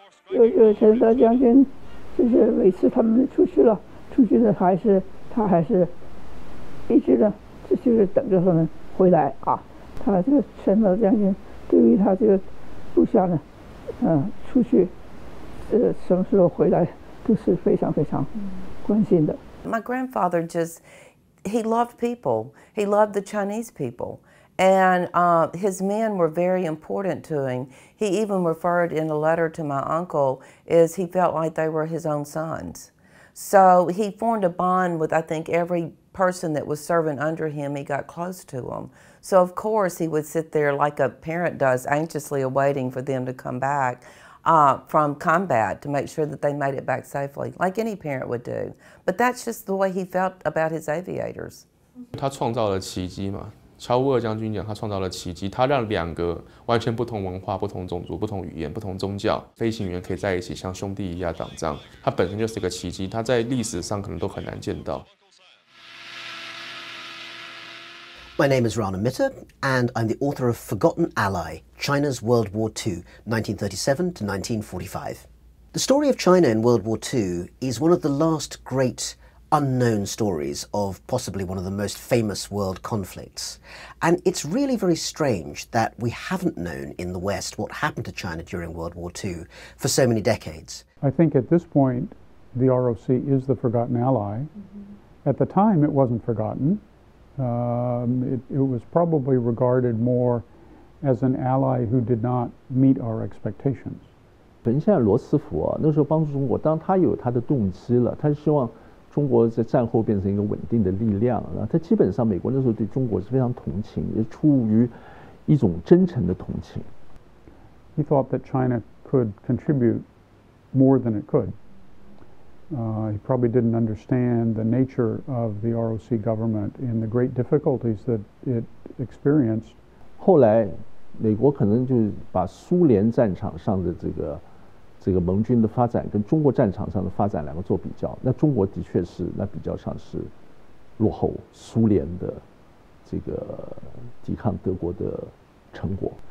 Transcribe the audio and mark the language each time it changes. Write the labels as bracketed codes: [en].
[zh] 就是陈德将军，就是每次他们出去了，出去的还是他还是一直的，就是等着他们回来啊。他这个陈德将军对于他这个部下呢，出去，什么时候回来都是非常非常关心的。 [en] My grandfather just he loved people. He loved the Chinese people. And his men were very important to him. He even referred in a letter to my uncle as he felt like they were his own sons. So he formed a bond with, I think, every person that was serving under him. He got close to them. So, of course, he would sit there like a parent does, anxiously awaiting for them to come back from combat to make sure that they made it back safely, like any parent would do. But that's just the way he felt about his aviators. [zh] 他创造了奇迹嘛。乔乌尔将军讲，他创造了奇迹，他让两个完全不同文化、不同种族、不同语言、不同宗教飞行员可以在一起，像兄弟一样打仗。他本身就是一个奇迹，他在历史上可能都很难见到。 [en] My name is Rana Mitter, and I'm the author of Forgotten Ally: China's World War II, 1937-1945. The story of China in World War II is one of the last great. Unknown stories of possibly one of the most famous world conflicts. And it's really very strange that we haven't known in the West what happened to China during World War II for so many decades. I think at this point, the ROC is the forgotten ally. Mm-hmm. At the time, it wasn't forgotten. It was probably regarded more as an ally who did not meet our expectations. [zh] 等一下，罗斯福啊，那时候帮助中国，当他有他的动机了，他希望中国在战后变成一个稳定的力量啊。他基本上美国那时候对中国是非常同情，也出于一种真诚的同情。 [en] He thought that China could contribute more than it could. He probably didn't understand the nature of the ROC government and the great difficulties that it experienced. [zh] 后来，美国可能就把苏联战场上的这个盟军的发展跟中国战场上的发展两个做比较，那中国的确是那比较上是落后苏联的这个抵抗德国的成果。